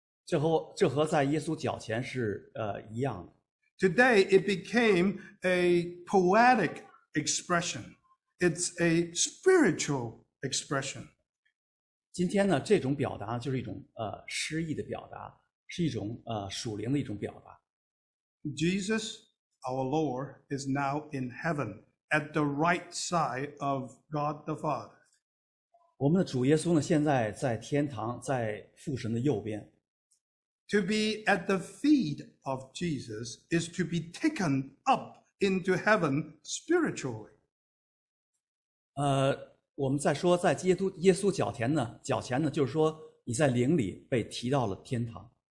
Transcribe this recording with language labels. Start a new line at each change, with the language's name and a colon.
Chinese: 这和在耶稣脚前是一样的。
English: Today it became a poetic expression. It's a spiritual expression.
Chinese: 今天呢，这种表达就是一种诗意的表达，是一种属灵的一种表达。
English: Jesus, our Lord, is now in heaven at the right side of God the Father.
Chinese: 我们的主耶稣呢，现在在天堂，在父神的右边。
English: To be at the feet of Jesus is to be taken up into heaven spiritually.
Chinese: 我们在说在耶稣脚前呢，就是说你在灵里被提到了天堂。